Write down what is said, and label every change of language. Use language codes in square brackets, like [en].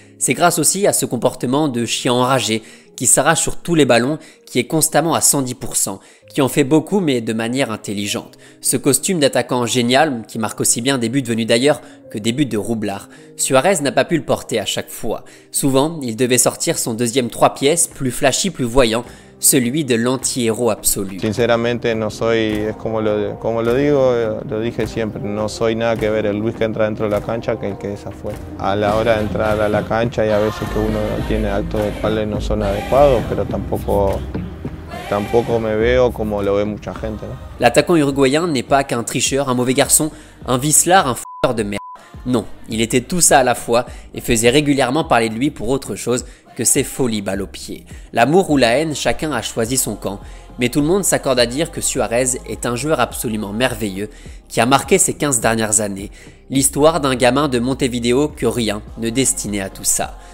[fr] C'est grâce aussi à ce comportement de chien enragé qui s'arrache sur tous les ballons, qui est constamment à 110%, qui en fait beaucoup mais de manière intelligente. Ce costume d'attaquant génial, qui marque aussi bien des buts venus d'ailleurs que des buts de roublard, Suarez n'a pas pu le porter à chaque fois. Souvent, il devait sortir son deuxième trois pièces, plus flashy, plus voyant, celui de l'anti-héros absolu. [es] Sinceramente, no soy, es como lo digo, lo dije siempre, no soy nada que ver el Luis que entra dentro de la cancha que el que es afuera. A la hora de entrar a la cancha y a veces que uno tiene actos de cuales no son adecuados, pero tampoco me veo como lo ve mucha gente, ¿no? [fr] L'attaquant uruguayen n'est pas qu'un tricheur, un mauvais garçon, un vicelard, un fouleur de merde. Non, il était tout ça à la fois et faisait régulièrement parler de lui pour autre chose que ses folies balles au pied. L'amour ou la haine, chacun a choisi son camp, mais tout le monde s'accorde à dire que Suarez est un joueur absolument merveilleux qui a marqué ses 15 dernières années, l'histoire d'un gamin de Montevideo que rien ne destinait à tout ça.